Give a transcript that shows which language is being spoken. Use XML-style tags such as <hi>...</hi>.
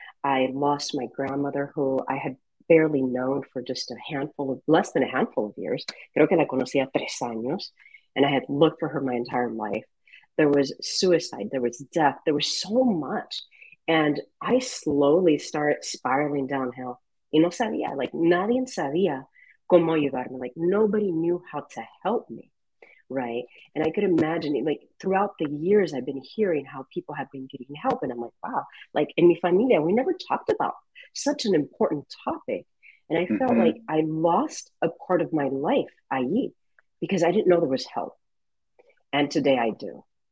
<en>I lost my grandmother, who I had barely known for just less than a handful of years.</en> <es>Creo que la conocía 3 años.</es> <en>And I had looked for her my entire life. There was suicide, there was death, there was so much. And I slowly started spiraling downhill.</en> <es>Y no sabía, like nadie sabía cómo ayudarme.</es> <en>Like nobody knew how to help me, right? And I could imagine, like throughout the years, I've been hearing how people have been getting help. And I'm like, wow, like in</en> <es>mi familia,</es> <en>we never talked about such an important topic. And I felt like I lost a part of my life, i.e., because I didn't know there was help. And today I do.</en>